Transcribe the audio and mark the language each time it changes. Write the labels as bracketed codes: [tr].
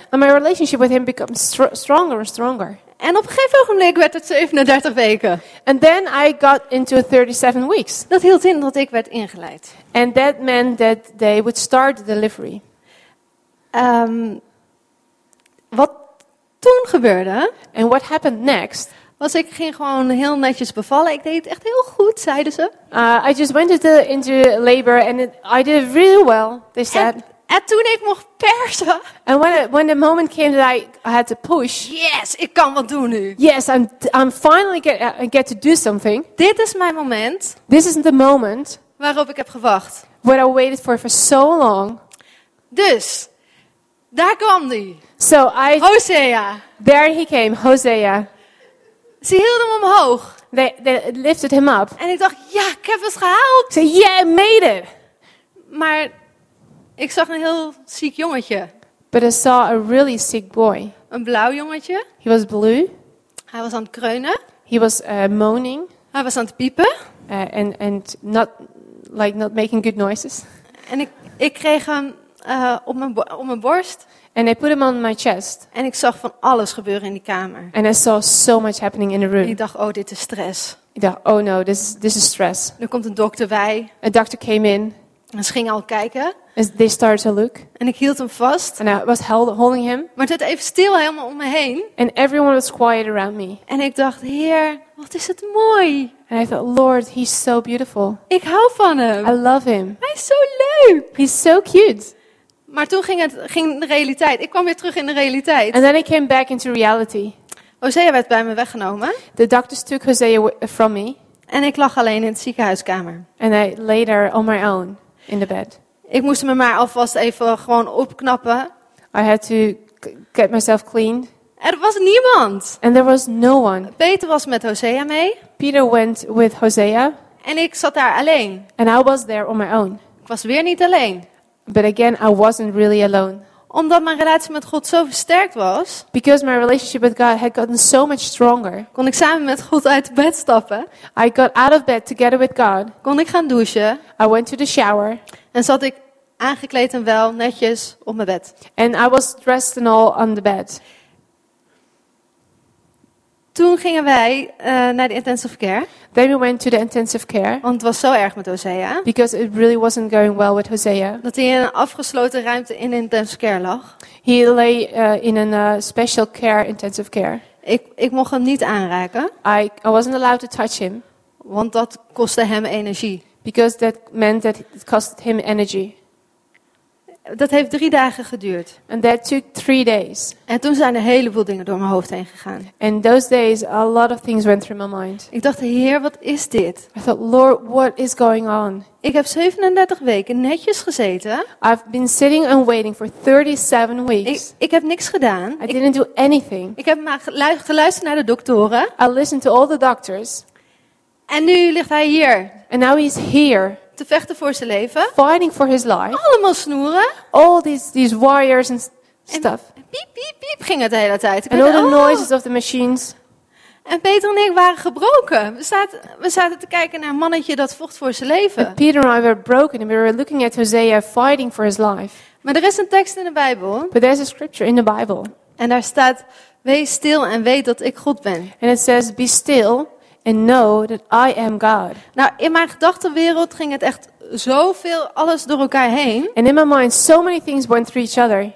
[en] And my relationship with him became stronger and stronger. [nl] En op een gegeven ogenblik werd het 37 weken. [en] And then I got into 37 weeks. [nl] Dat hield in dat ik werd ingeleid. [en] And that meant that they would start the delivery. [nl] Wat toen gebeurde? [en] And what happened next? [nl] Was ik ging gewoon heel netjes bevallen. Ik deed het echt heel goed, zeiden ze. [en] I just went into labor and I did really well, they said. [nl] En toen ik mocht persen. [en] And when the moment came that I had to push. [nl] Yes, ik kan wat doen nu. [en] Yes, I'm finally get to do something. [nl] Dit is mijn moment. [en] This isn't the moment. [nl] Waarop ik heb gewacht. [en] What I waited for so long. [nl] Dus, daar kwam die. [en] So I. [nl] Hosea. [en] There he came, Hosea. [nl] Ze hielden hem omhoog. [en] They lifted him up. [nl] En ik dacht, ja, ik heb het gehaald. [en] So yeah, I made it. [nl] Maar ik zag een heel ziek jongetje. [en] But I saw a really sick boy. [nl] Een blauw jongetje. [en] He was blue. [nl] Hij was aan het kreunen. [en] He was moaning. [nl] Hij was aan het piepen. [en] And not making good noises. [nl] En ik kreeg hem op mijn borst. [en] And I put him on my chest. [nl] En ik zag van alles gebeuren in die kamer. [en] And I saw so much happening in the room. [nl] En ik dacht, oh, dit is stress. Ik dacht, [en] oh no, this is stress. [nl] Er komt een dokter bij. [en] A doctor came in. [nl] En ze gingen al kijken. [en] And they started to look. [nl] En ik hield hem vast. [en] And I was holding him. [nl] Maar het werd even stil helemaal om me heen. [en] And everyone was quiet around me. [nl] En ik dacht, Heer, wat is het mooi. [en] And I thought, Lord, he's so beautiful. [nl] Ik hou van hem. [en] I love him. [nl] Hij is zo leuk. [en] He's so cute. [nl] Maar toen ging de realiteit. Ik kwam weer terug in de realiteit. [en] And then I came back into reality. [nl] Hosea werd bij me weggenomen. [en] The doctors took Hosea from me. [nl] En ik lag alleen in het ziekenhuiskamer. [en] And I lay there on my own in the bed. [nl] Ik moest me maar alvast even gewoon opknappen. [en] I had to get myself clean. [nl] Er was niemand. [en] And there was no one. [nl] Peter was met Hosea mee. [en] Peter went with Hosea. [nl] En ik zat daar alleen. [en] And I was there on my own. [nl] Ik was weer niet alleen. [en] But again, I wasn't really alone. [nl] Omdat mijn relatie met God zo versterkt was, [en] because my relationship with God had gotten so much stronger, [nl] kon ik samen met God uit bed stappen. [en] I got out of bed together with God. [nl] Kon ik gaan douchen. [en] I went to the shower. [nl] En zat ik aangekleed en wel netjes op mijn bed. [en] And I was dressed and all on the bed. [nl] Toen gingen wij naar de intensive care. [en] Then we went to the intensive care. [nl] Want het was zo erg met Hosea. [en] Because it really wasn't going well with Hosea. [nl] Dat hij in een afgesloten ruimte in intensive care lag. [en] He lay in a special care intensive care. [nl] Ik mocht hem niet aanraken. [en] I wasn't allowed to touch him. [nl] Want dat kostte hem energie. [en] Because that meant that it cost him energy. [nl] Dat heeft 3 dagen geduurd. [en] And that took 3 days. [nl] En toen zijn een heleboel dingen door mijn hoofd heen gegaan. [en] And those days, a lot of things went through my mind. [nl] Ik dacht, Heer, wat is dit? [en] I thought, Lord, what is going on? [nl] Ik heb 37 weken netjes gezeten. [en] I've been sitting and waiting for 37 weeks. [nl] Ik heb niks gedaan. [en] I didn't do anything. [nl] Ik heb maar geluisterd naar de doktoren. [en] I listened to all the doctors. [nl] En nu ligt hij hier. [en] And now he's here. [nl] Te vechten voor zijn leven. [en] Fighting for his life. [nl] Allemaal snoeren. [en] All these wires and stuff. [nl] En piep, piep, piep ging het de hele tijd. [en] And all the noises of the machines. [nl] En Peter en ik waren gebroken. We zaten te kijken naar een mannetje dat vocht voor zijn leven. [en] But Peter and I were broken and we were looking at Hosea fighting for his life. [nl] Maar er is een tekst in de Bijbel. [en] But there's a scripture in the Bible. [nl] En daar staat, wees stil en weet dat ik God ben. [en] And it says, be still. And know that I am God. [nl] Nou, in mijn gedachtenwereld ging het echt zoveel alles door elkaar heen. [en] And in my mind, so many things went through each other.